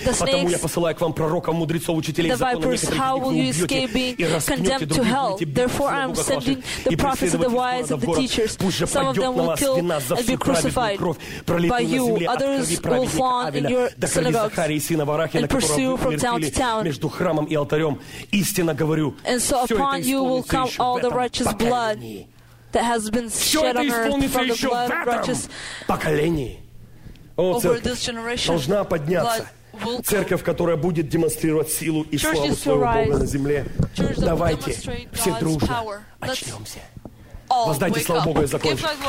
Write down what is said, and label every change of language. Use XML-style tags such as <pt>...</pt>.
<ru>Потому я посылаю к вам пророков, мудрецов, учителей закона, некоторых из них вы убьете и распнете, другие будете бить в ногах ваших, и преследовать их в город. Пусть же пойдет на вас вина за всю праведную кровь, пролитую на земле от крови праведника Авеля, до крови Захарии, сына Варахина, которого вы умертвили между храмом и алтарем. Истинно говорю, все это исполнится</ru> <en>all the righteous blood that has been shed on earth from the blood of righteous</en> <ru>поколений. О, церковь должна подняться. Церковь, которая будет демонстрировать силу и славу своего Бога на земле. Давайте все дружно очнемся. Воздайте славу Богу, я закончу.</ru>